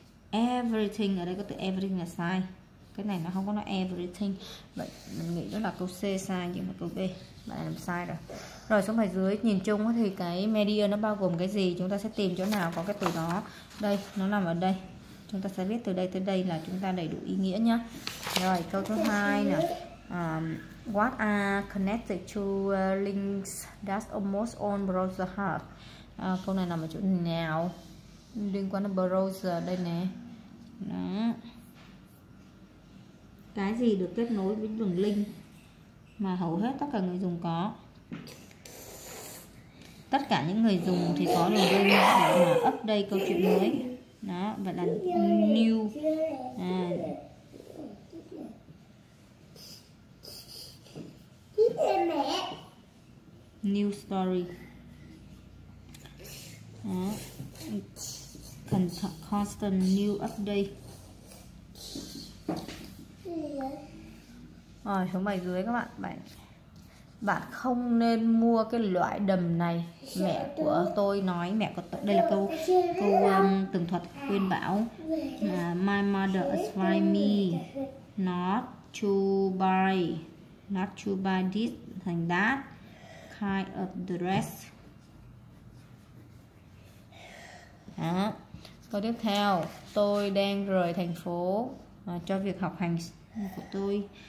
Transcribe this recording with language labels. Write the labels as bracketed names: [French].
[Vietnamese] Everything, ở đây có từ everything là sai. Cái này nó không có nói everything. Vậy mình nghĩ đó là câu C sai, nhưng mà câu B bạn làm sai rồi. Rồi xuống bài dưới, nhìn chung thì cái media nó bao gồm cái gì, chúng ta sẽ tìm chỗ nào có cái từ đó. Đây, nó nằm ở đây. Chúng ta sẽ viết từ đây tới đây là chúng ta đầy đủ ý nghĩa nhá. Rồi câu thứ hai nè. [English] What are connected to links that almost all browser have? [Vietnamese] Câu này nằm ở chỗ nào? Liên quan đến browser đây nè. Đó. Cái gì được kết nối với đường link mà hầu hết tất cả người dùng có? Tất cả những người dùng thì có đường link để mà update câu chuyện mới. Đó, vậy là new. [English] New story. [Vietnamese] Đó. [English] Constant new update. [Vietnamese] Rồi xuống bài dưới các bạn. Bạn không nên mua cái loại đầm này. Mẹ của tôi nói, mẹ của tôi, đây là câu tường thuật khuyên bảo. [English] My mother advised me not to buy this thành that kind of dress. [Vietnamese] Đó. Câu tiếp theo, tôi đang rời thành phố cho việc học hành của tôi.